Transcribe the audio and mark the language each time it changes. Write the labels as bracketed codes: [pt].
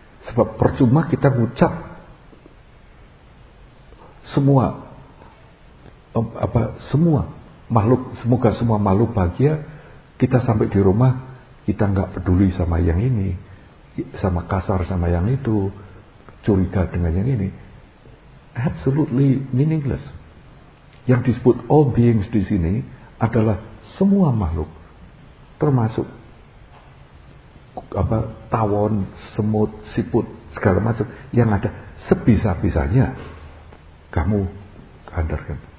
[id] Sebab percuma kita ngucap semua apa, semua makhluk, semoga semua makhluk bahagia, kita sampai di rumah kita enggak peduli sama yang ini, sama kasar sama yang itu, curiga dengan yang ini. [en] Absolutely meaningless. [id] Yang disebut [en] all beings [id] di sini adalah semua makhluk, termasuk apa, tawon, semut, siput, segala macam yang ada, sebisa-bisanya kamu hadirkan.